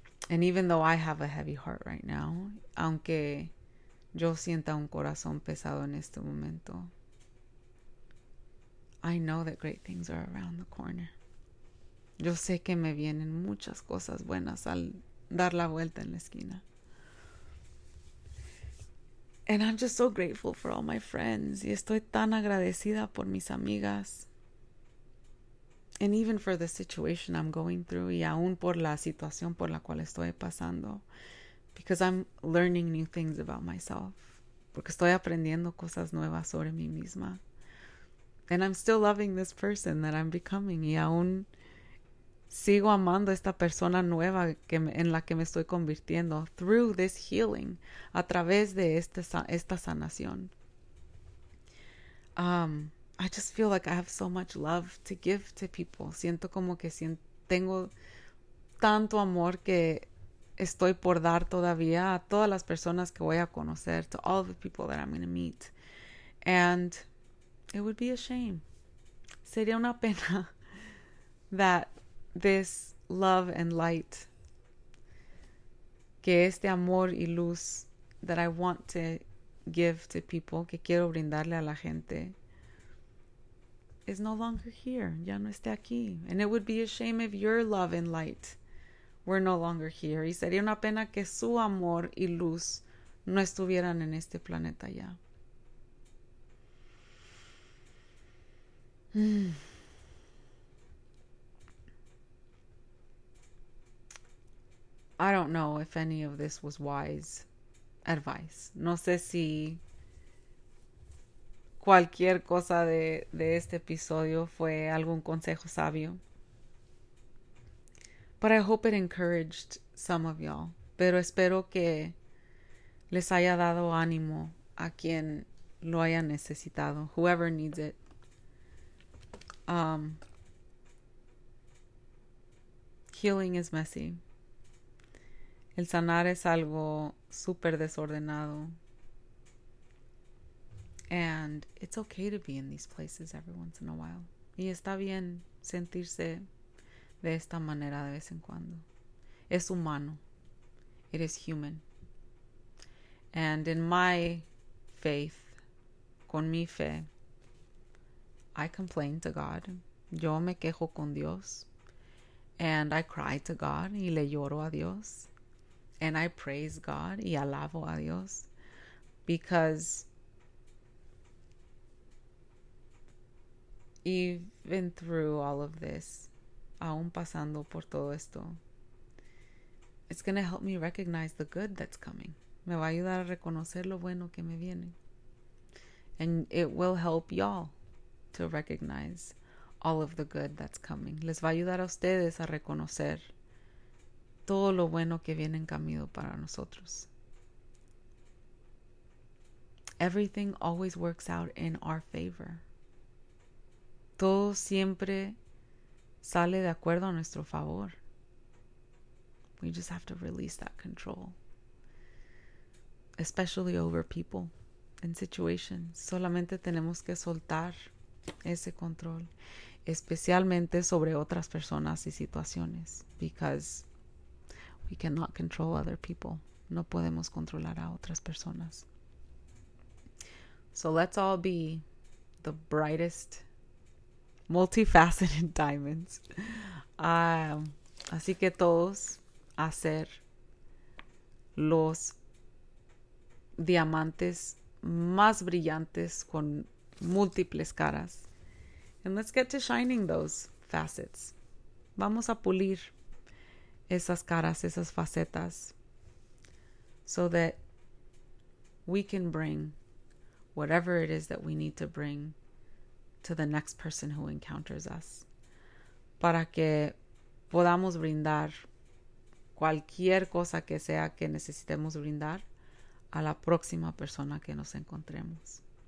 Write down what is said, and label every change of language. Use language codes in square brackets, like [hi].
[en] And even though I have a heavy heart right now, [es] aunque yo sienta un corazón pesado en este momento, [en] I know that great things are around the corner. [es] Yo sé que me vienen muchas cosas buenas al dar la vuelta en la esquina. [en] And I'm just so grateful for all my friends. [es] Y estoy tan agradecida por mis amigas. [en] And even for the situation I'm going through. [es] Y aún por la situación por la cual estoy pasando. [en] Because I'm learning new things about myself. [es] Porque estoy aprendiendo cosas nuevas sobre mí misma. [en] And I'm still loving this person that I'm becoming. [es] Y aún sigo amando esta persona nueva que en la que me estoy convirtiendo through this healing, a través de esta sanación. [en] I just feel like I have so much love to give to people. [es] Siento como que tengo tanto amor que estoy por dar todavía a todas las personas que voy a conocer, [en] to all the people that I'm going to meet. And it would be a shame. [es] Sería una pena [en] that this love and light, [es] que este amor y luz [en] that I want to give to people, [es] que quiero brindarle a la gente, [en] is no longer here. [es] Ya no está aquí. [en] And it would be a shame if your love and light were no longer here. [es] Y sería una pena que su amor y luz no estuvieran en este planeta ya. [en] I don't know if any of this was wise advice. [es] No sé si cualquier cosa de este episodio fue algún consejo sabio. [en] But I hope it encouraged some of y'all. [es] Pero espero que les haya dado ánimo a quien lo haya necesitado. [en] Whoever needs it. Healing is messy. [es] El sanar es algo super desordenado. [en] And it's okay to be in these places every once in a while. [es] Y está bien sentirse de esta manera de vez en cuando. Es humano. [en] It is human. And in my faith, [es] con mi fe, [en] I complain to God. [es] Yo me quejo con Dios. [en] And I cry to God. [es] Y le lloro a Dios. [en] And I praise God. [es] Y alabo a Dios. [en] Because even through all of this, [es] aún pasando por todo esto, [en] it's going to help me recognize the good that's coming. [es] Me va a ayudar a reconocer lo bueno que me viene. [en] And it will help y'all to recognize all of the good that's coming. [es] Les va a ayudar a ustedes a reconocer todo lo bueno que viene en camino para nosotros. [en] Everything always works out in our favor. [es] Todo siempre sale de acuerdo a nuestro favor. [en] We just have to release that control. Especially over people and situations. [es] Solamente tenemos que soltar ese control. Especialmente sobre otras personas y situaciones. [en] Because we cannot control other people. [es] No podemos controlar a otras personas. [en] So let's all be the brightest, multifaceted diamonds. [es] Así que todos a ser los diamantes más brillantes con múltiples caras. [en] And let's get to shining those facets. [es] Vamos a pulir esas caras, esas facetas, [en] so that we can bring whatever it is that we need to bring to the next person who encounters us. [es] Para que podamos brindar cualquier cosa que sea que necesitemos brindar a la próxima persona que nos encontremos.